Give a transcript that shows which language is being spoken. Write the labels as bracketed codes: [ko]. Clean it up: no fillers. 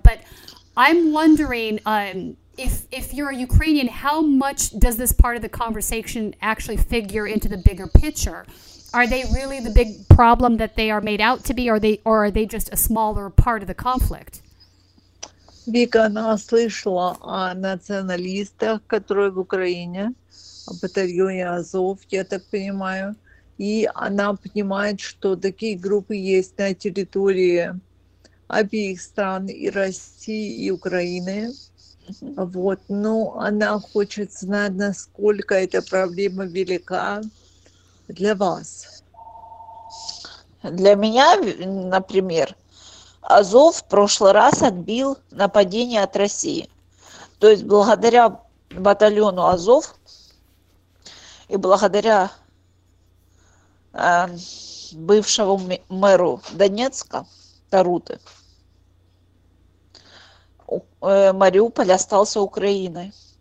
[en] But I'm wondering, if you're a Ukrainian, how much does this part of the conversation actually figure into the bigger picture? Are they really the big problem that they are made out to be, or are they just a smaller part of the conflict? [uk] Віка, вона слышала о націоналістах, які в Україні, о батальйоні Азов, я так розумію, і вона розуміє, що такі групи є на території обох стран, і Росії, і України. Вот. Ну, вона хоче знати, наскільки ця проблема велика для вас. Для мене, наприклад, [ru] Азов в прошлый раз отбил нападение от России. То есть благодаря батальону Азов и благодаря бывшему мэру Донецка Таруты Мариуполь остался Украиной.